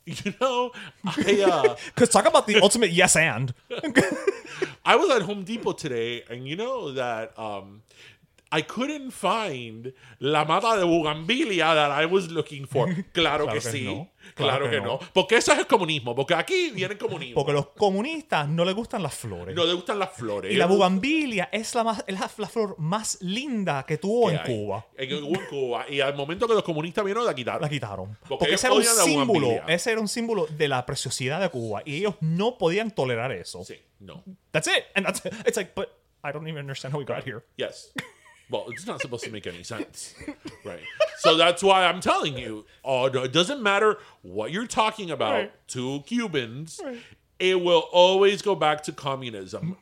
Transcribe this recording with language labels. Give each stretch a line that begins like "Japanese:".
English: You know, I because talk about the ultimate yes and. I was at Home Depot today, and you know that I couldn't find
Spanish: la mata de bugambilia
English: that I was looking for.
Spanish: Claro que sí. Claro que no. Porque eso es el comunismo. Porque aquí viene el comunismo. Porque los comunistas no les gustan las flores. No les gustan las flores. Y la bugambilia es la flor más linda que tuvo en Cuba. En Cuba. Y al momento que los comunistas vieron, la quitaron. La quitaron. Porque ese era un símbolo. Ese era un símbolo de la preciosidad de Cuba. Y ellos no podían tolerar eso. Sí, no.
English: That's it. And that's it. It's like, but I don't even understand how we got here. Yes. Well, it's not supposed to make any sense, right? So that's why I'm telling you, it doesn't matter what you're talking about to Cubans, it will always go back to communism.